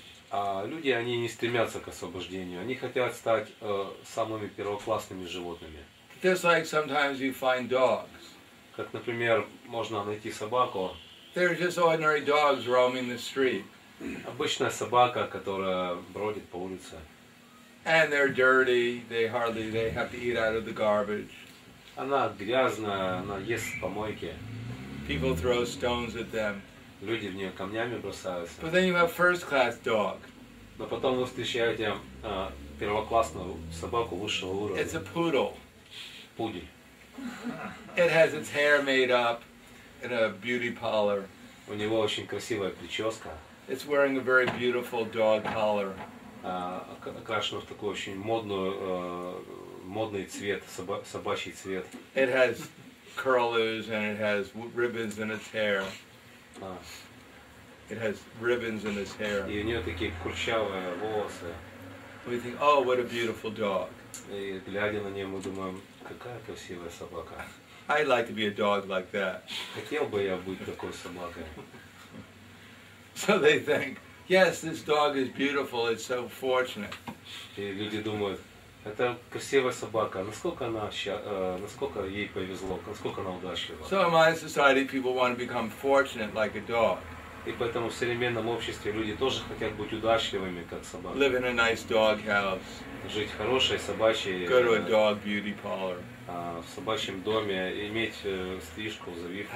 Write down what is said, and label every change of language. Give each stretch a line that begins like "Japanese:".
Russian: А люди, они не стремятся к освобождению. Они хотят стать самыми первоклассными животными.
English: Just like sometimes you find dogs.
Russian: Как, например, можно найти собаку.
English: They're just ordinary dogs roaming the street.
Russian: Обычная собака, которая бродит по улице.
English: And they're dirty. They have to eat out of the garbage.
Russian: Она грязная, она ест в помойке.
English: People throw stones at them.
Russian: Люди в нее камнями бросаются.
English: But then you have first-class dog.
Russian: Но потом вы встречаете первоклассную собаку высшего уровня.
English: It's a poodle.
Russian: Пудель.
English: It has its hair made up in a beauty parlor.
Russian: У него очень красивая прическа.
English: It's wearing a very beautiful dog collar.
Russian: Окрашена в такой очень модный цвет, собачий цвет.
English: It has curlers and it has ribbons in its hair. It has ribbons in its hair.
Russian: И у нее такие курчавые волосы.
English: We think, oh, what a beautiful dog.
Russian: И глядя на нее, мы думаем, какая красивая собака.
English: I'd like to be a dog like that.
Russian: Хотел бы я быть такой собакой.
English: So they think, yes, this dog is beautiful. It's so fortunate.
Russian: И люди думают, это красивая собака. Насколько она насколько ей повезло, насколько она удачлива.
English: So in my society, people want to become fortunate like a dog.
Russian: И поэтому в современном обществе люди тоже хотят быть удачливыми, как собаки.
English: Live in a nice dog house.
Russian: Жить в хорошей собачьей...
English: Go to a dog beauty parlor.
Russian: В собачьем доме, иметь стрижку, завивку.